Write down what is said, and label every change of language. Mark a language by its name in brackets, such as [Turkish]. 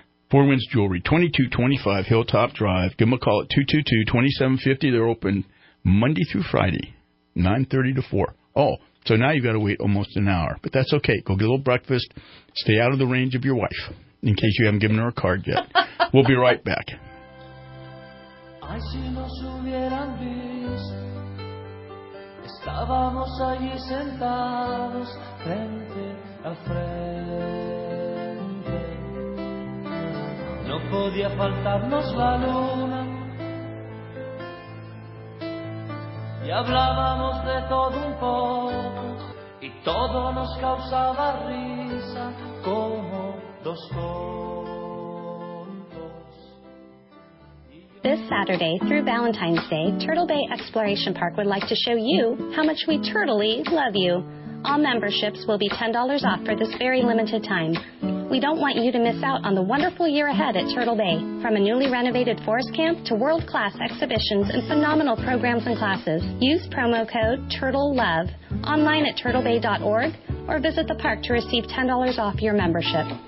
[English] Four Winds Jewelry, 2225 Hilltop Drive. Give them a call at 222-2750. They're open Monday through Friday, 9:30 to 4. Oh, so now you've got to wait almost an hour. But that's okay. Go get a little breakfast. Stay out of the range of your wife in case you haven't given her a card yet. We'll be right back. [Spanish] Ay, si nos hubieran visto, estábamos allí sentados frente a frente. No podía faltarnos la luna. Y hablábamos de todo un poco, y todo nos causaba risa, como dos tontos. [English] This Saturday, through Valentine's Day, Turtle Bay Exploration Park would like to show you how much we turtly love you. All memberships will be $10 off for this very limited time. We don't want you to miss out on the wonderful year ahead at Turtle Bay. From a newly renovated forest camp to world-class exhibitions and phenomenal programs and classes, use promo code TURTLELOVE online at turtlebay.org or visit the park to receive $10 off your membership.